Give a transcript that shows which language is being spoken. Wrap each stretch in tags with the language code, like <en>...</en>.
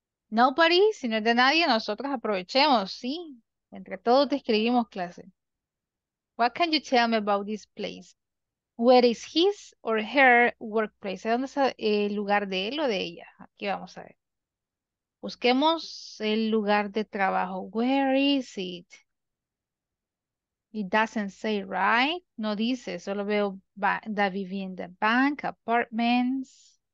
<es>Nobody, si no es de nadie, nosotros aprovechemos, ¿sí? Entre todos describimos clase.</es> <en>What can you tell me about this place? Where is his or her workplace?</en> <es>¿Dónde está el lugar de él o de ella? Aquí vamos a ver. Busquemos el lugar de trabajo.</es> <en>Where is it? It doesn't say, right?</en> <es>No dice, solo veo da vivienda, bank, apartments.</es>